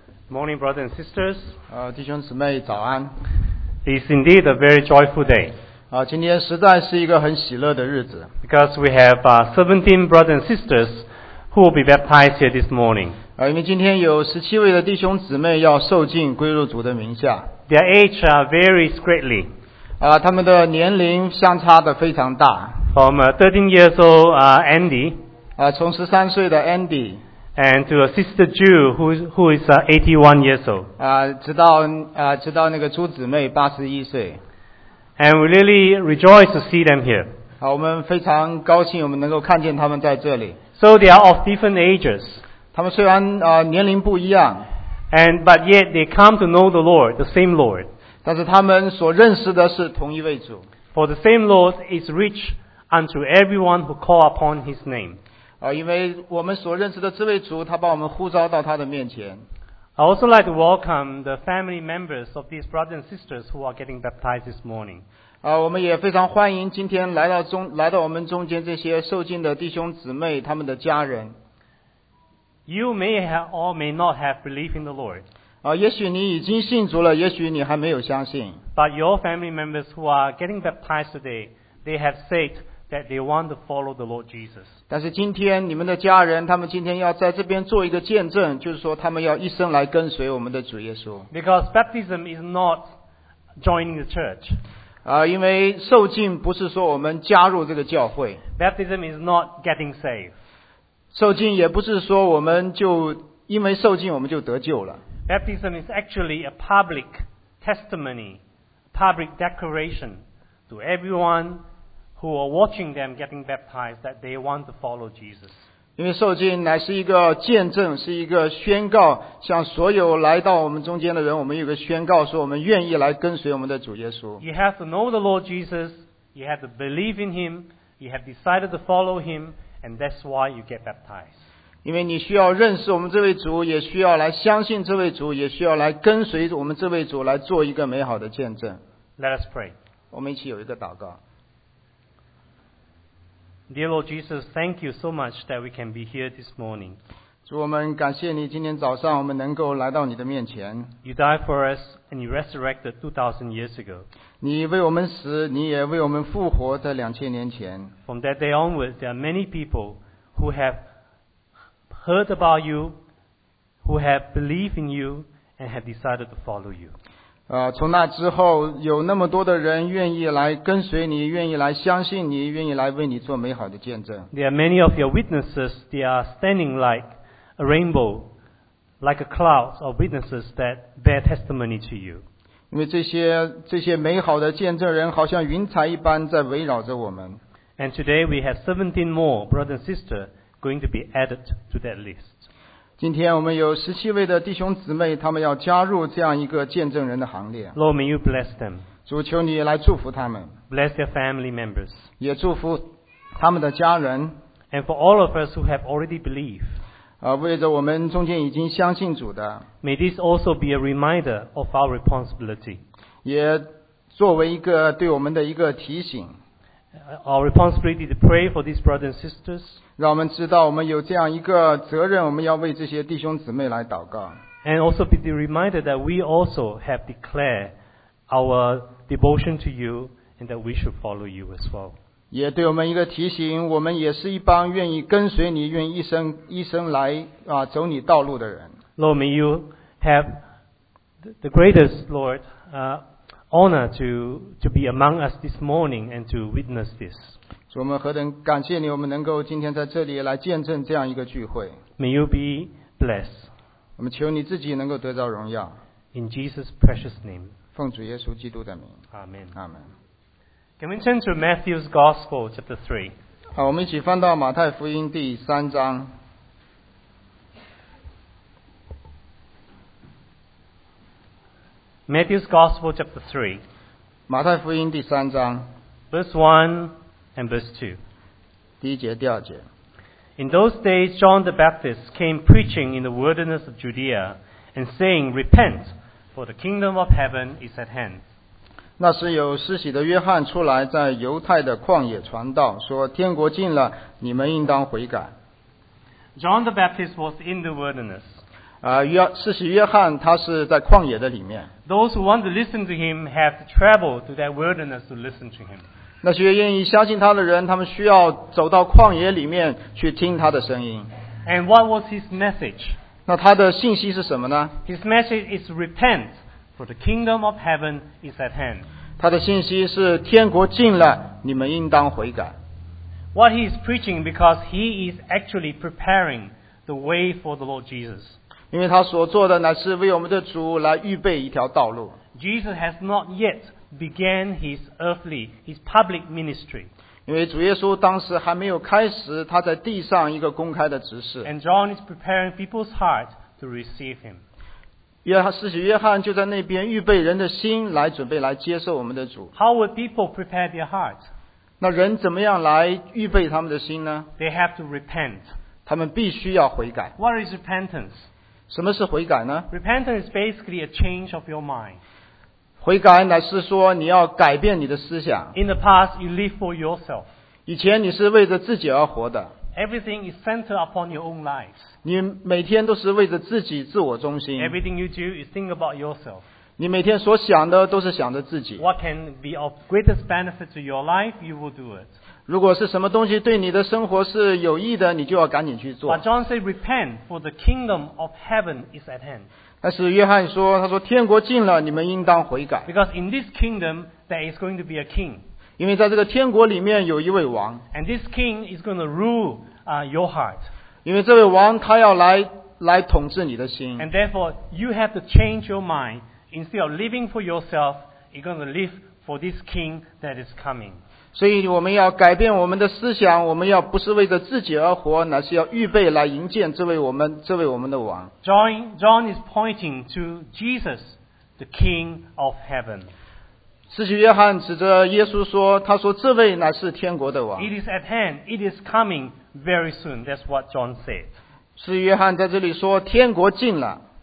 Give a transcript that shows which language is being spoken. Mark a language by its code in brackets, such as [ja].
[en] Morning, brothers and sisters. [zh] 弟兄姊妹，早安。 [en] It's indeed a very joyful day. [zh] 今天实在是一个很喜乐的日子。 [en] Because we have 17 brothers and sisters who will be baptized here this morning. [zh] 因为今天有17位的弟兄姊妹要受浸归入主的名下。 [en] Their age varies greatly. [zh] 他们的年龄相差的非常大。 [en] From 13 years old, Andy. [zh] 从13岁的 Andy. [en] And to a sister Jew who is 81 years old. [zh] 直到那个朱姊妹81岁。 [en] And we really rejoice to see them here. [zh] 我们非常高兴我们能够看见他们在这里。 [en] So they are of different ages. [zh] 他们虽然年龄不一样。 [en] But yet they come to know the Lord, the same Lord. [zh] 但是他们所认识的是同一位主。 [en] For the same Lord is rich unto everyone who call upon his name. [zh] 因为我们所认识的这位主他把我们呼召到他的面前。 [en] I also like to welcome the family members of these brothers and sisters who are getting baptized this morning. [zh] 我们也非常欢迎今天来到我们中间这些受浸的弟兄姊妹他们的家人。 [en] You may have or may not have belief in the Lord. [zh] 也许你已经信主了，也许你还没有相信。 [en] But your family members who are getting baptized today, they have said,that they want to follow the Lord Jesus. [zh] 但是今天你们的家人他们今天要在这边做一个见证，就是说他们要一生来跟随我们的主耶稣。 [en] Because baptism is not joining the church. [zh] 因为受浸不是说我们加入这个教会。 [en] Baptism is not getting saved. [zh] 受浸也不是说我们就因为受浸我们就得救了。 [en] Baptism is actually a public testimony, public declaration to everyone. Who are watching them getting baptized that they want to follow Jesus. [zh] 因为受浸乃是一个见证，是一个宣告，向所有来到我们中间的人，我们有个宣告，说我们愿意来跟随我们的主耶稣。 [en] You have to know the Lord Jesus. You have to believe in Him. You have decided to follow Him, and that's why you get baptized. [zh] 因为你需要认识我们这位主，也需要来相信这位主，也需要来跟随我们这位主，来做一个美好的见证。 [en] Let us pray. [zh] 我们一起有一个祷告。 [en] Dear Lord Jesus, thank you so much that we can be here this morning. [zh] 主，我们感谢你，今天早上我们能够来到你的面前。 [en] You died for us and you resurrected 2,000 years ago. [zh] 你为我们死，你也为我们复活在2,000年前。 [en] From that day onwards, there are many people who have heard about you, who have believed in you, and have decided to follow you. [zh] 从那之后有那么多的人愿意来跟随你，愿意来相信你，愿意来为你做美好的见证。 [en] There are many of your witnesses, they are standing like a rainbow, like a cloud of witnesses that bear testimony to you. [zh] 因为这些美好的见证人好像云彩一般在围绕着我们。 [en] And today we have 17 more brothers and sisters going to be added to that list. [zh] 今天我们有17位的弟兄姊妹，他们要加入这样一个见证人的行列。 [en] Lord, may you bless them. [zh] 主，求你来祝福他们。 [en] Bless their family members. [zh] 也祝福他们的家人。 [en] And for all of us who have already believed. [zh] 为着我们中间已经相信主的。 [en] May this also be a reminder of our responsibility. [zh] 也作为一个对我们的一个提醒。 [en] Our responsibility to pray for these brothers and sisters. [zh] 让我们知道我们有这样一个责任，我们要为这些弟兄姊妹来祷告。 [en] And also be reminded that we also have declared our devotion to you and that we should follow you as well. [zh] 也对我们一个提醒，我们也是一帮愿意跟随你，愿意一生来走你道路的人。 [en] Lord, may you have the greatest, Lord, honor to be among us this morning and to witness this. [zh] 主，我们何等感谢你，我们能够今天在这里来见证这样一个聚会。 [en] May you be blessed. [zh] 我们求你自己能够得到荣耀。 [en] In Jesus' precious name. [zh] 奉主耶稣基督的名。 [en] Amen. Amen. Can we turn to Matthew's Gospel, chapter 3? [zh] 好，我们一起翻到马太福音第三章。 [en] Matthew's Gospel, chapter 3. [zh] 马太福音第三章。 [en] Verse 1. And verse 2. [zh] 第一节第二节。 [en] In those days, John the Baptist came preaching in the wilderness of Judea and saying, Repent, for the kingdom of heaven is at hand. [zh] 那时有施洗的约翰出来在犹太的旷野传道，说天国近了，你们应当悔改。 [en] John the Baptist was in the wilderness. [zh] 是约翰他是在旷野的里面。 [en] Those who want to listen to him have to travel to that wilderness to listen to him. [zh] 那些愿意相信他的人，他们需要走到旷野里面去听他的声音。 [en] And what was his message? [zh] 那他的信息是什么呢？ [en] His message is repent, for the kingdom of heaven is at hand. [zh] 他的信息是天国近了，你们应当悔改。 [en] What he is preaching because he is actually preparing the way for the Lord Jesus. [zh] 因为他所做的乃是为我们的主来预备一条道路。 [en] Jesus has not yet began his earthly, his public ministry. [zh] 因为主耶稣当时还没有开始他在地上一个公开的职事。 [en] And John is preparing people's hearts to receive him. [zh] 使徒约翰就在那边预备人的心来准备来接受我们的主。 [en] How would people prepare their hearts? [zh] 那人怎么样来预备他们的心呢？ [en] They have to repent. [zh] 他们必须要悔改。 [en] What is repentance? [zh] 什么是悔改呢？ [en] Repentance is basically a change of your mind. [zh] 悔改乃是说你要改变你的思想。 [en] In the past, you live for yourself. [zh] 以前你是为着自己而活的。 [en] Everything is centered upon your own lives. [zh] 你每天都是为着自己自我中心。 [en] Everything you do, you think about yourself. [zh] 你每天所想的都是想着自己。 [en] What can be of greatest benefit to your life, you will do it. [zh] 如果是什么东西对你的生活是有益的，你就要赶紧去做。 [en] But John said, "Repent, for the kingdom of heaven is at hand." [zh] 但是约翰说，他说天国近了，你们应当悔改。 [en] Because in this kingdom, there is going to be a king. [zh] 因为在这个天国里面有一位王。 [en] And this king is going to rule, your heart. [zh] 因为这位王他要来统治你的心。 [en] And therefore, you have to change your mind. Instead of living for yourself, you're going to live for this king that is coming. [zh] 所以我们要改变我们的思想，我们要不是为着自己而活，乃是要预备来迎接这位我们的王。 [en] John is pointing to Jesus, the King of Heaven. [zh] 使徒约翰指着耶稣说，他说这位乃是天国的王。 [en] It is at hand. It is coming very soon. That's what John said. [zh] 使徒约翰在这里说，天国近了。